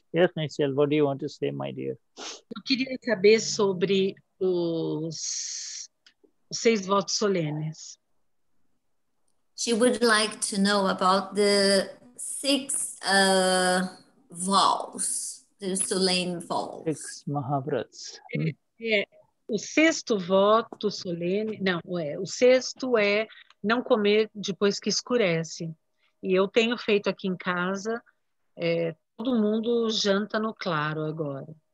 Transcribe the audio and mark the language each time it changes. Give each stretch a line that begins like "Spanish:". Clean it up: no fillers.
English: Yes, Michelle, what do you want to say, my dear?
Portuguese: Eu queria saber sobre os seis votos solenes.
English: She would like to know about the six vows, the solemn vows. Six Mahavrats.
Portuguese: O sexto voto solene, não, é, o sexto é não comer depois que escurece. E eu tenho feito aqui em casa, todo mundo janta no claro agora.